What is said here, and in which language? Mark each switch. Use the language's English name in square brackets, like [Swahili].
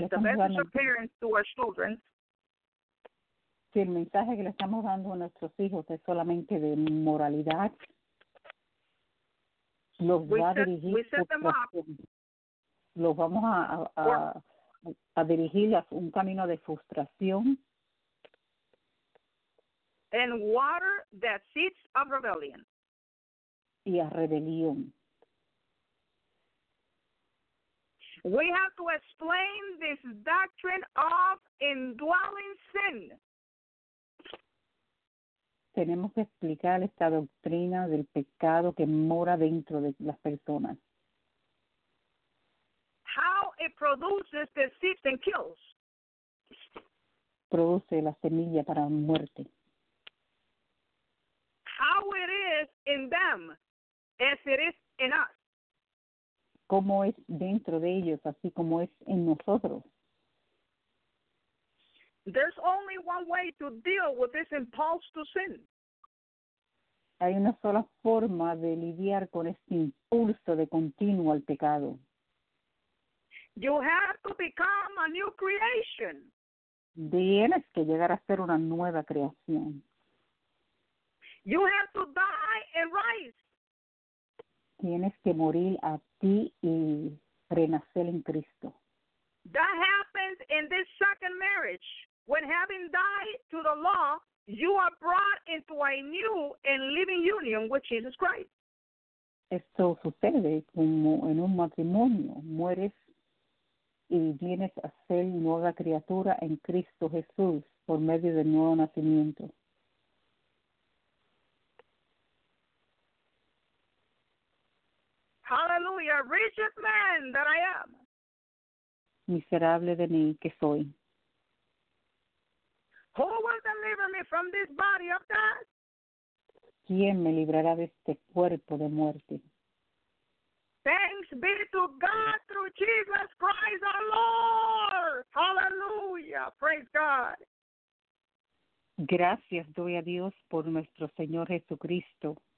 [Spanish] le estamos dando [English] of parents to our children, [Spanish] si el mensaje que le estamos dando a nuestros hijos es solamente de moralidad, los va a dirigir. [English] We set them up. [Spanish] Los vamos a dirigir a un camino de frustración. [English] And water that seeds of rebellion. [Spanish] Y a rebelión. [English] We have to explain this doctrine of indwelling sin. [Spanish] Tenemos que explicar esta doctrina del pecado que mora dentro de las personas. [English] How it produces the seeds and kills. [Spanish] Produce la semilla para muerte. [English] How it is in them as it is in us. [Spanish] Como es dentro de ellos, así como es en nosotros. [English] There's only one way to deal with this impulse to sin. [Spanish] Hay una sola forma de lidiar con este impulso de continuo al pecado. [English] You have to become a new creation. [Spanish] Tienes que llegar a ser una nueva creación. [English] You have to die and rise. [Spanish] Tienes que morir a ti y renacer en Cristo. [English] That happens in this second marriage. When having died to the law, you are brought into a new and living union with Jesus Christ. [Spanish] Esto sucede como en un matrimonio. Mueres y vienes a ser nueva criatura en Cristo Jesús por medio del nuevo nacimiento. [English] Hallelujah, wretched man that I am. [Spanish] Miserable de mí que soy. [English] Who will deliver me from this body of death? [Spanish] ¿Quién me librará de este cuerpo de muerte? [English] Thanks be to God through Jesus Christ our Lord. Hallelujah. Praise God. [Spanish] Gracias doy a Dios por nuestro Señor Jesucristo.